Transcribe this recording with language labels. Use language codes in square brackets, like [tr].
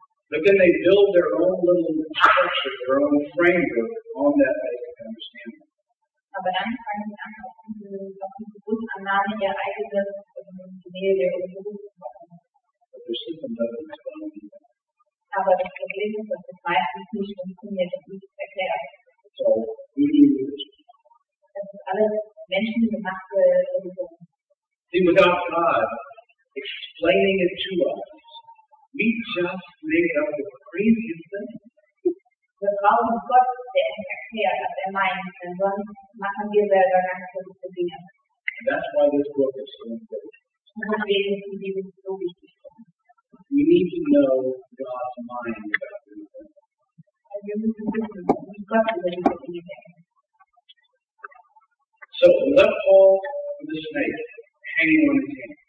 [en] But then they build their own little structure, their own framework on that basic understanding. [de] Aber dann fangen sie an, auf diese Grundannahme ihr eigenes Gemälde der Religion zu machen. [en] But their system doesn't explain it. [de] Aber das Problem ist, dass es meistens nicht funktioniert und nicht erklärt. [en] So, human religion. [de] Das ist alles menschengemachte Religion. [en] See, without God explaining it to us, we just make up the craziest thing. [de] Wir brauchen Gott, der uns erklärt, was er meint, denn sonst machen wir selber ganz verrückte Dinge. [en] That's why this book is so important. [de] Und deswegen ist die Bibel so wichtig. [en] We need to know God's mind about everything. So, we left Paul with the snake hanging on his hand.